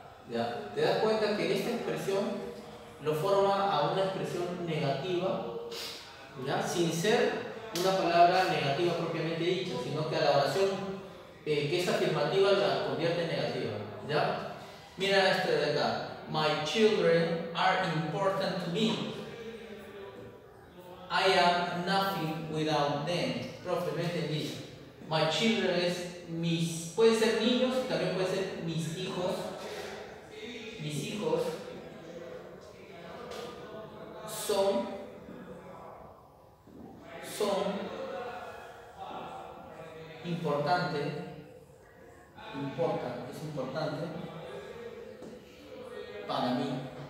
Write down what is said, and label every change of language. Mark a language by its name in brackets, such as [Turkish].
[Spanish] Ya, te das cuenta que esta expresión lo forma a una expresión negativa, ¿ya? Sin ser una palabra negativa propiamente dicha, sino que a la oración que es afirmativa la convierte en negativa, ¿ya? Mira este de acá. [English] My children are important to me. I am nothing without them. [Spanish] Profe, me entendí. [English] My children [Spanish] es mis, puede ser niños, también puede ser mis hijos. Mis hijos son importante, importa, es importante para mí.